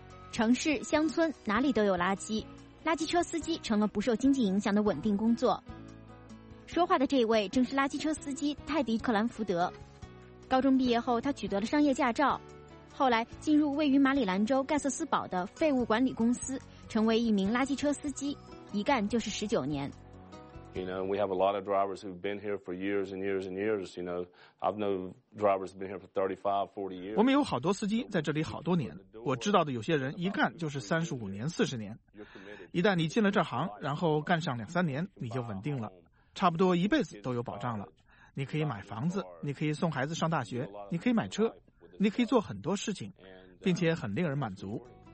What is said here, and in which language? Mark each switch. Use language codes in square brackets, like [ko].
[zh] 城市、乡村，哪里都有垃圾，垃圾车司机成了不受经济影响的稳定工作。说话的这位正是垃圾车司机泰迪·克兰福德。高中毕业后，他取得了商业驾照，后来进入位于马里兰州盖瑟斯堡的废物管理公司，成为一名垃圾车司机，一干就是19年。 [en] You know, we have a lot of drivers who've been here for years and years and years. You know, I've known drivers been here for 35, 40 years. [zh] 我们有好多司机在这里好多年。我知道的有些人一干就是35年、40年。一旦你进了这行，然后干上两三年，你就稳定了，差不多一辈子都有保障了。你可以买房子，你可以送孩子上大学，你可以买车，你可以做很多事情，并且很令人满足。